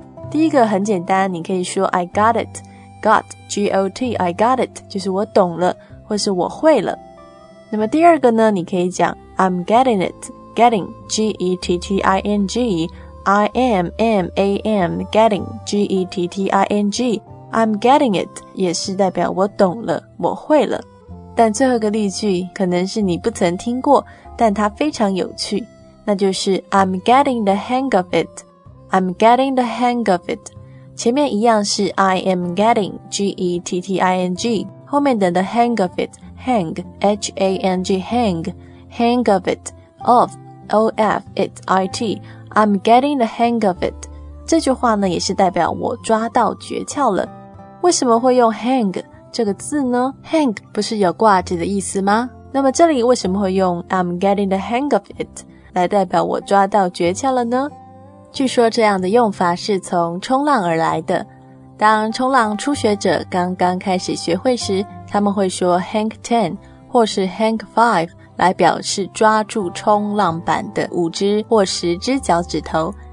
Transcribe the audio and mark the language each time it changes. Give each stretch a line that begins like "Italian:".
Chinese: 第一个很简单，你可以说
English: I got it,
Chinese: got, G-O-T, I got it, 就是我懂了或是我会了。那么第二个呢，你可以讲
English: I'm getting it,
Chinese: Getting, G-E-T-T-I-N-G, I-M-M-A-M, Getting, G-E-T-T-I-N-G, I'm getting it, 也是代表我懂了，我会了。但最后一个例句可能是你不曾听过，但它非常有趣，那就是
English: I'm getting the hang of it, I'm getting the hang of it,
Chinese: 前面一样是
English: I am getting,
Chinese: G-E-T-T-I-N-G, 后面的
English: the hang of it, hang, H-A-N-G, hang, hang of it, of, O-F, it, I-T, I'm getting the hang of it.
Chinese: 这句话呢也是代表我抓到诀窍了。为什么会用 hang 这个字呢？ hang 不是有挂着的意思吗？那么这里为什么会用
English: I'm getting the hang of it
Chinese: 来代表我抓到诀窍了呢？据说这样的用法是从冲浪而来的。当冲浪初学者刚刚开始学会时，他们会说 hang 10 或是 hang 5 来表示抓住冲浪板的五只或十只脚趾头。